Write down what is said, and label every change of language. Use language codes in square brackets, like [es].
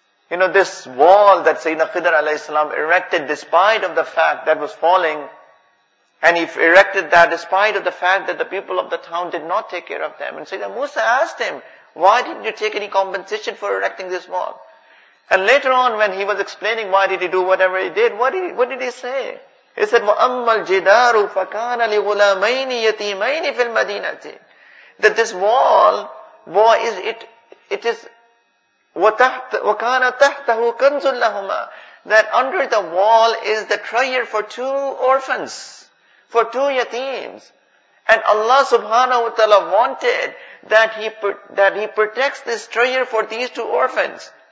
[en] You know, this wall that Sayyidina Khidr alayhi salam erected despite of the fact that was falling, and he erected that despite of the fact that the people of the town did not take care of them. And Sayyidina Musa asked him, why didn't you take any compensation for erecting this wall? And later on, when he was explaining why did he do whatever he did, what did he say? He said, [ar] وَأَمَّا الْجِدَارُ فَكَانَ لِغُلَامَيْنِ يَتِيمَيْنِ فِي الْمَدِينَةِ. That this wall, boy, it is, وَكَانَ تَحْتَهُ كَنْزٌ لَهُمَا. [en] That under the wall is the treasure for two orphans, for two yatims. And Allah subhanahu wa ta'ala wanted that he protects this treasure for these two orphans.